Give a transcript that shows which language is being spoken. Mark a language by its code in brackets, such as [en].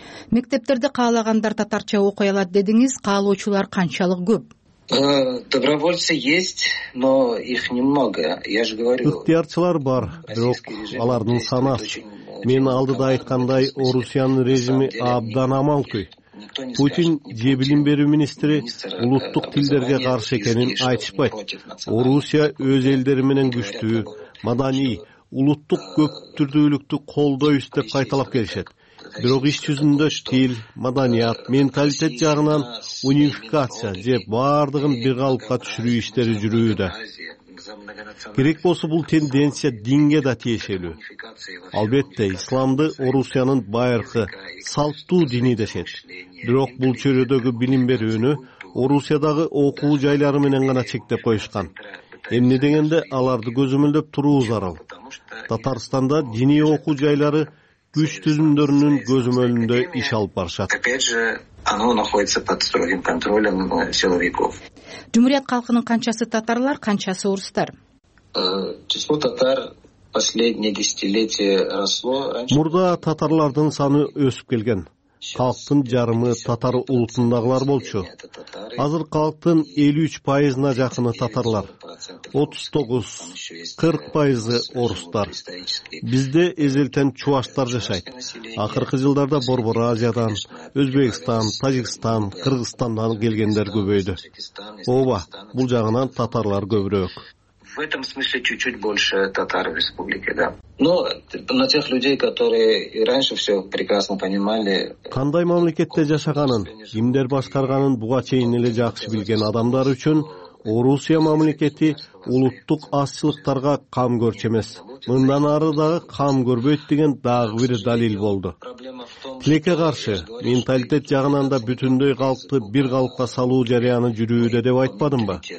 [ky] Мектептерде каалагандар татарча окуй алат дедиңиз, каалоочулар канчалык көп? [ru] Добровольцы есть, но их немного. Я же говорю. [ky] Ыктыярчылар бар, бирок алардын саны аз. Мен алдыда айткандай, Орусиянын режими абдан амалкөй. Путин же билим берүү министри улуттук тилдерге каршы экенин айтышпайт. Орусия өз элдери менен күчтүү, маданий, улуттук көп түрдүүлүктү колдойбуз деп кайталап келишет. Бирок иш жүзүндө тил, маданият, менталитет жагынан унификация же баардыгын бир калыпка түшүрүү иштери жүрүүдө. Керек болсо бул тенденция динге да тиешелүү. Албетте, исламды Орусиянын байыркы салттуу дини дешет. Бирок бул чөйрөдөгү билим берүүнү Орусиядагы окуу жайлары менен гана чектеп коюшкан. Эмне дегенде аларды көзөмөлдөп туруу зарыл. Татарстанда диний окуу жайлары күч түзүмдөрүнүн көзөмөлүндө иш алып барышат. [ru] Оно находится под строгим контролем силовиков. [ky] Жумурият калкынын канчасы татарлар, канчасы орустар? [ru] Число татар последние десятилетия росло. [ky] Мурда татарлардын саны өсүп келген. Калктын жарымы татар улутундагылар болчу. Азыр калктын 53%-на жакыны татарлар, 39-40% орустар. Бизде эзелтен чуваштар жашайт. Акыркы жылдарда Борбор Азиядан, Өзбекстан, Тажикстан, Кыргызстандан келгендер көбөйдү. Ооба, бул жагынан татарлар көбүрөөк. [ru] В этом смысле чуть-чуть больше татар в республике, да. Но на тех людей, которые и раньше все прекрасно понимали... [ky] Кандай мамлекетте жашаганын, кимдер башкарганын буга чейин эле жакшы билген адамдар үчүн Орусия мамлекети улуттук азчылыктарга кам көрчү эмес. Мындан ары дагы кам көрбөйт деген дагы бир далил болду. Тилекке каршы, менталитет жагынан да бүтүндөй калкты бир калкка салуу жараяны жүрүүдө деп айтпадымбы?